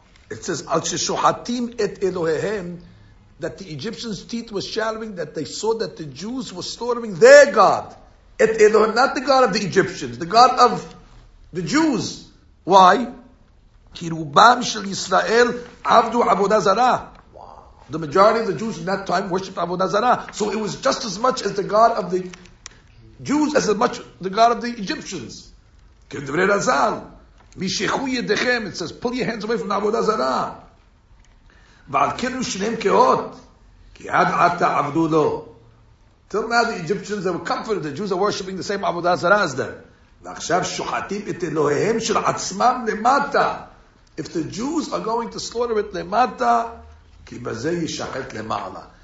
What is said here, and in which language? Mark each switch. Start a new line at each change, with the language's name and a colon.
English: It says,
Hebrew: אל ששוחטים את אלוהיהם,
English: that the Egyptians' teeth were shattering, that they saw that the Jews were slaughtering their God.
Hebrew: את אלוהיהם,
English: not the God of the Egyptians, the God of the Jews. Why?
Hebrew: כי רובם של ישראל עבדו עבודה זרה.
English: The majority of the Jews in that time worshipped עבודה זרה. So it was just as much as the God of the Jews as much the God of the Egyptians.
Hebrew: כדברי רזל, משיכו ידיכם,
English: it says, pull your hands away from עבודה זרה.
Hebrew: ועל כן הוא שניהם כאות, כי עד עתה עבדו לו.
English: Till now the Egyptians, they were comforted, the Jews are worshipping the same עבודה זרה as them.
Hebrew: ועכשיו שוחטים את אלוהיהם של עצמם למטה.
English: If the Jews are going to slaughter it למטה,
Hebrew: כי בזה ישחט למעלה.